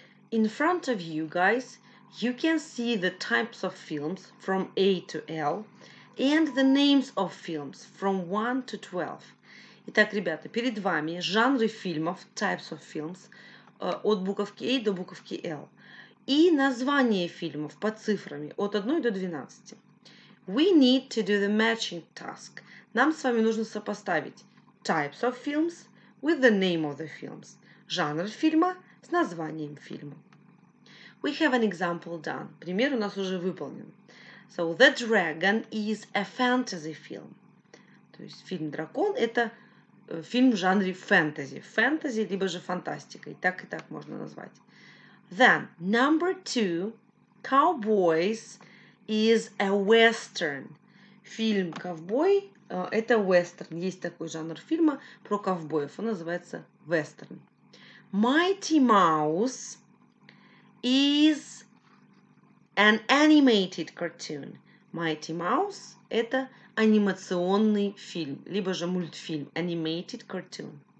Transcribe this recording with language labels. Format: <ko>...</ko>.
<en>In front of you guys, you can see the types of films from A to L and the names of films from 1 to 12.</en> <ru>Итак, ребята, перед вами жанры фильмов,</ru> <en>types of films,</en> <ru>от буковки A до буковки L. И название фильмов по цифрами от 1 до 12.</ru> <en>We need to do the matching task.</en> <ru>Нам с вами нужно сопоставить</ru> <en>types of films with the name of the films.</en> <ru>Жанр фильма с названием фильма.</ru> <en>We have an example done.</en> <ru>Пример у нас уже выполнен.</ru> <en>So, The Dragon is a fantasy film.</en> <ru>То есть, фильм «Дракон» – это фильм в жанре фэнтези. Фэнтези, либо же фантастика. И так можно назвать.</ru> <en>Then, number two, Cowboys is a western.</en> <ru>Фильм «Ковбой» – это вестерн. Есть такой жанр фильма про ковбоев. Он называется вестерн.</ru> <en>Mighty Mouse is an animated cartoon.</en> <ru>Mighty Mouse – это анимационный фильм, либо же мультфильм,</ru> <en>animated cartoon.</en>